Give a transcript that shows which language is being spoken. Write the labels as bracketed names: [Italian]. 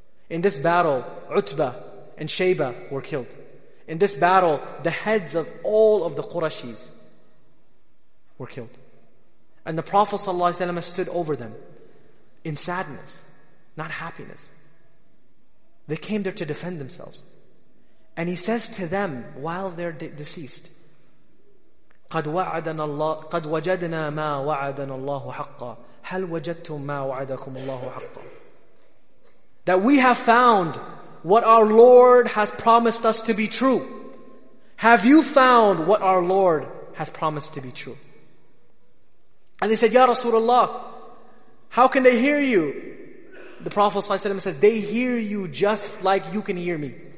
[English] In this battle, Utbah and Shaybah were killed. In this battle, the heads of all of the Qurayshis were killed. And the Prophet ﷺ stood over them in sadness, not happiness. They came there to defend themselves. And he says to them while they're deceased, [Arabic] قَدْ وَعَدَنَا اللَّهُ قَدْ وَجَدْنَا مَا وَعَدَنَا اللَّهُ حَقَّ هَلْ وَجَدْتُمْ مَا وَعَدَكُمُ اللَّهُ حَقَّ. [English] That we have found what our Lord has promised us to be true. Have you found what our Lord has promised to be true? And they said, Ya Rasulullah, how can they hear you? The Prophet ﷺ says, they hear you just like you can hear me.